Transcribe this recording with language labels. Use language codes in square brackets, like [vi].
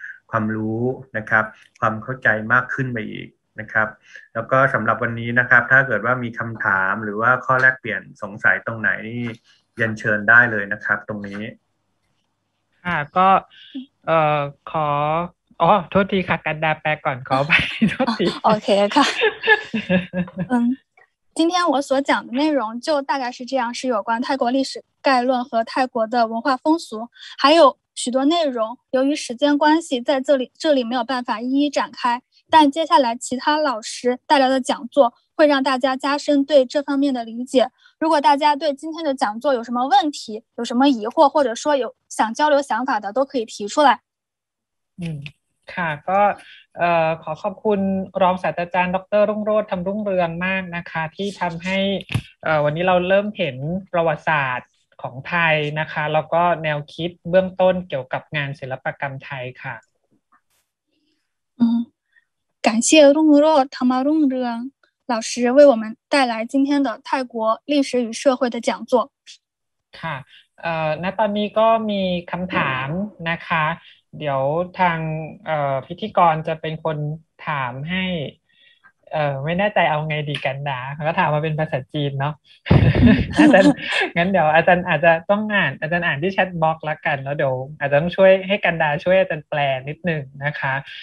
[th] ความรู้นะครับความเข้าใจมากขึ้นไปอีกนะครับแล้วก็สำหรับวันนี้นะครับถ้าเกิดว่ามีคำถามหรือว่าข้อแลกเปลี่ยนสงสัยตรงไหนนี่ยันเชิญได้เลยนะครับตรงนี้ค่ะก็ขออ๋อโทษทีค่ะกันดาแปลก่อนขอไป โอเคค่ะ [zh] 今天我所讲的内容就大概是这样，是有关泰国历史概论和泰国的文化风俗，还有许多内容由于时间关系在这里没有办法一一展开，但接下来其他老师带来的讲座会让大家加深对这方面的理解。如果大家对今天的讲座有什么问题，有什么疑惑，或者说有想交流想法的，都可以提出来。 [th] ค่ะก็ขอขอบคุณรองศาสตราจารย์ดร. รุ่งโรจน์ธำรุ่งเรืองมากนะคะที่ทำให้วันนี้เราเริ่มเห็นประวัติศาสตร์ของไทยนะคะแล้วก็แนวคิดเบื้องต้นเกี่ยวกับงานศิลปกรรมไทยค่ะ [zh] 感谢รุ่งโรจน์ธำรุ่งเรือง老师为我们带来今天的泰国历史与社会的讲座 [th] ค่ะณตอนนี้ก็มีคำถามนะคะเดี๋ยวทางพิธีกรจะเป็นคนถามให้ไม่แน่ใจเอาไงดีกันดาก็ถามมาเป็นภาษาจีนเนาะ อาจารย์งั้นเดี๋ยวอาจารย์อาจจะต้องอาจารย์อ่านที่แชทบล็อกละกันแล้วเดี๋ยวอาจารย์ต้องช่วยให้กันดาช่วยอาจารย์แปลนิดนึงนะคะ